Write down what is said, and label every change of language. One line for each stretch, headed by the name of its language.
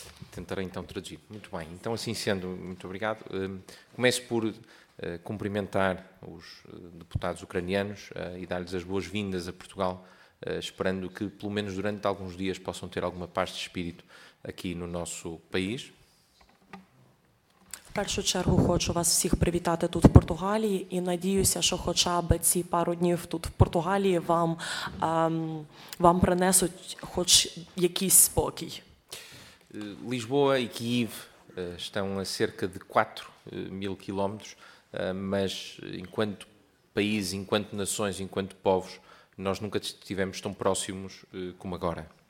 Portuguese: Tentarei então traduzir. Muito bem, então assim sendo, muito obrigado. Começo por cumprimentar os deputados ucranianos e dar-lhes as boas-vindas a Portugal, esperando que, pelo menos durante alguns dias, possam ter alguma paz de espírito aqui no nosso país.
Ukrainian: В першу чергу хочу вас всіх привітати тут, в Португалії, і надіюся, що хоча б ці пару днів тут, в Португалії, вам принесуть хоч якийсь спокій.
Portuguese: Lisboa e Kyiv estão a cerca de 4.000 quilómetros, mas enquanto países, enquanto nações, enquanto povos, nós nunca estivemos tão próximos como agora.